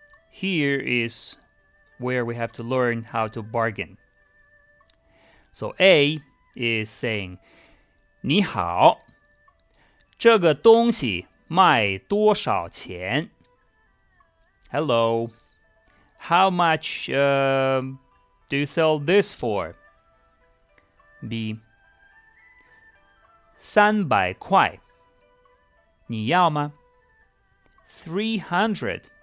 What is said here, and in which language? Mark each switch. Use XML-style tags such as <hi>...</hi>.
<en>Here is where we have to learn how to bargain. So A is saying,</en> <zh>你好，这个东西卖多少钱？</zh> <en>Hello, how much, do you sell this for?</en> <zh>B. 300块，你要吗？ 300.</zh>